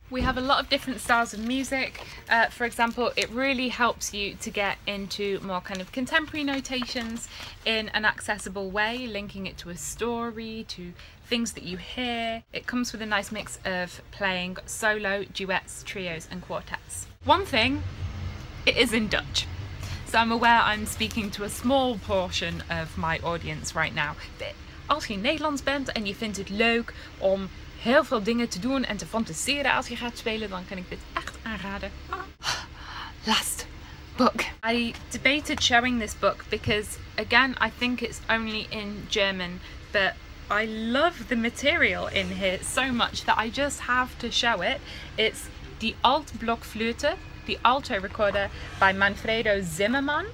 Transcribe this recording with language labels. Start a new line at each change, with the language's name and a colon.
English: We have a lot of different styles of music. For example, it really helps you to get into more kind of contemporary notations in an accessible way, linking it to a story, to things that you hear. It comes with a nice mix of playing solo, duets, trios, and quartets. One thing, it is in Dutch. So I'm aware I'm speaking to a small portion of my audience right now.
Dutch: Als je Nederlands bent en je vindt het leuk om heel veel dingen te doen en te fantaseren als je gaat spelen, dan kan ik dit echt aanraden.
English: Last book. I debated showing this book because, again, I think it's only in German, but I love the material in here so much that I just have to show it. It's the Altblockflöte, the alto recorder by Manfredo Zimmermann.